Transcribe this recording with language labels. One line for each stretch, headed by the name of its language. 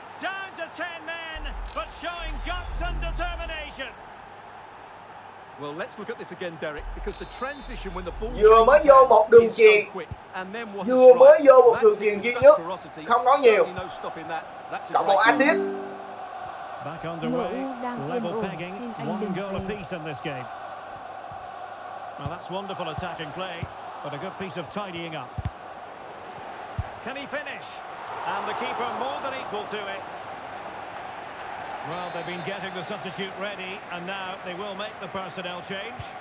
English: down to 10 men, but showing guts and determination. Well, let's look at this again, Derek, because the transition when the ball
Vietnamese: vừa mới vô một đường chuyền, vừa mới vô một đường chuyền duy nhất, không nói nhiều, cộng một assist.
English: Back underway, level pegging, one goal apiece in this game. Well, that's wonderful attacking play, but a good piece of tidying up. Can he finish? And the keeper more than equal to it. Well, they've been getting the substitute ready, and now they will make the personnel change.